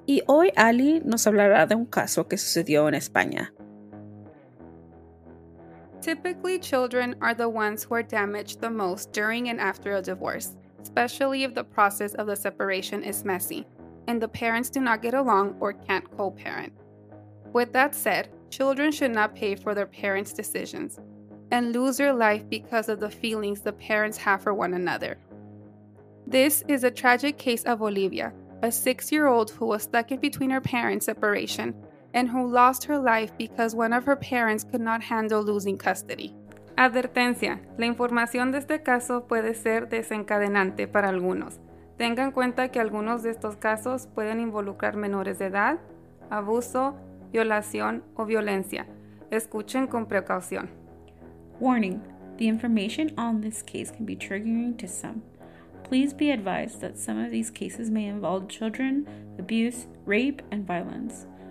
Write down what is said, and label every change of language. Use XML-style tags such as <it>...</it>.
<es>Y hoy Ali nos hablará de un caso que sucedió en España.</es> <en>Typically, children are the ones who are damaged the most during and after a divorce, especially if the process of the separation is messy and the parents do not get along or can't co-parent. With that said, children should not pay for their parents' decisions and lose their life because of the feelings the parents have for one another. This is a tragic case of Olivia, a 6-year-old who was stuck in between her parents' separation and who lost her life because one of her parents could not handle losing custody.</en> <es>Advertencia, la información de este caso puede ser desencadenante para algunos. Tengan en cuenta que algunos de estos casos pueden involucrar menores de edad, abuso, violación o violencia. Escuchen con precaución.</es> <en>Warning, the information on this case can be triggering to some. Please be advised that some of these cases may involve children, abuse, rape, and violence.</en>